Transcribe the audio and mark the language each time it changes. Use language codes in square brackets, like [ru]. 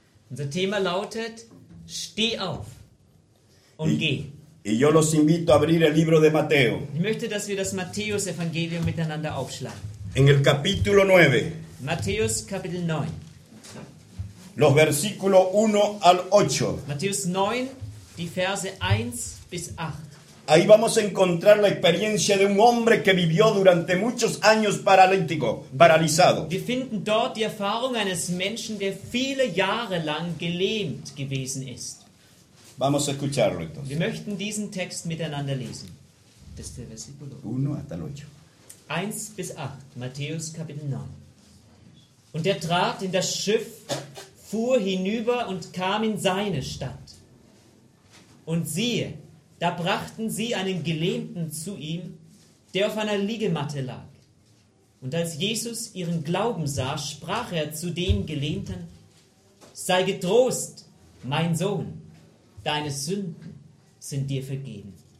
[de] Unser Thema lautet: Steh auf und geh. [es] Y yo los invito a abrir el libro de Mateo. [de] Ich möchte, dass wir das Matthäus-Evangelium miteinander aufschlagen. [es] En el capítulo 9. [de] Matthäus Kapitel 9. [es] Los versículos 1 al 8. [de] Matthäus 9, die Verse 1 bis 8. [es] Ahí vamos a encontrar la experiencia de un hombre que vivió durante muchos años paralítico, paralizado. [de] Wir finden dort die Erfahrung eines Menschen, der viele Jahre lang gelähmt gewesen ist. [es] Vamos a escucharlo entonces. [de] Wir möchten diesen Text miteinander lesen. [es] Desde versículo 1 hasta el 8. [de] 1 bis 8, Matthäus Kapitel 9. Und er trat in das Schiff, fuhr hinüber und kam in seine Stadt. Und siehe, da brachten sie einen Gelähmten zu ihm, der auf einer Liegematte lag. Und als Jesus ihren Glauben sah, sprach er zu dem Gelähmten: Sei getrost, mein Sohn, deine Sünden sind dir vergeben.